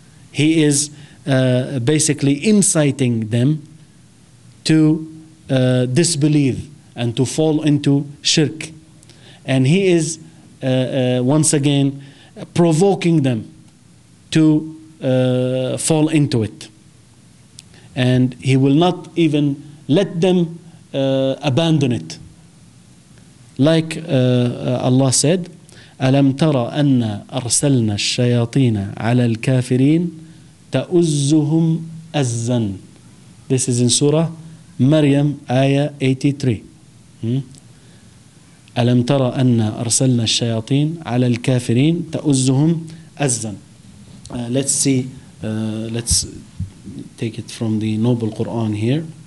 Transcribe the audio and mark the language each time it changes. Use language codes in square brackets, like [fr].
[en] He is basically inciting them to disbelieve and to fall into shirk. And he is once again provoking them to fall into it. And he will not even let them abandon it. Like Allah said, [ar] أَلَمْ تَرَ أَنَّا أَرْسَلْنَا الشَّيَاطِينَ عَلَى الْكَافِرِينَ تَأُزُّهُمْ أَزَّنْ. [en] This is in Surah Maryam, Ayah 83. [ar] أَلَمْ تَرَ أَنَّا أَرْسَلْنَا الشَّيَاطِينَ عَلَى الْكَافِرِينَ تَأُزُّهُمْ أَزَّنْ. [en] Let's see, let's take it from the Noble Quran here.